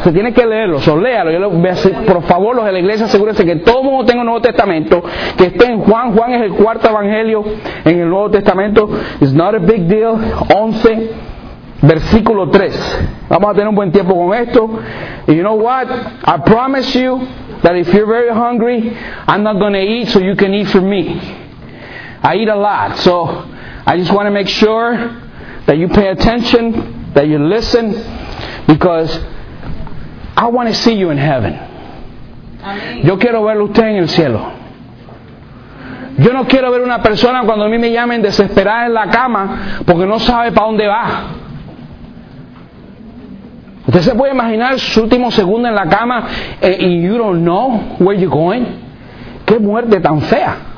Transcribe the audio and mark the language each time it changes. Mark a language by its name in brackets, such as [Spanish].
[Spanish] Se tiene que leerlo, so léalo. Yo lo voy a hacer, por favor, los de la iglesia, asegúrense que todo mundo tenga un Nuevo Testamento, que esté en Juan. Juan es el cuarto evangelio en el Nuevo Testamento. [English] It's not a big deal. [Spanish] 11, versículo 3. Vamos a tener un buen tiempo con esto. [English] And you know what? I promise you that if you're very hungry, I'm not gonna eat so you can eat for me. I eat a lot, so I just want to make sure that you pay attention, that you listen, because I want to see you in heaven. Amén. [Spanish] Yo quiero verlo usted en el cielo. Yo no quiero ver una persona cuando a mí me llamen desesperada en la cama porque no sabe para dónde va. ¿Usted se puede imaginar su último segundo en la cama y [English] you don't know where you're going? [Spanish] ¡Qué muerte tan fea!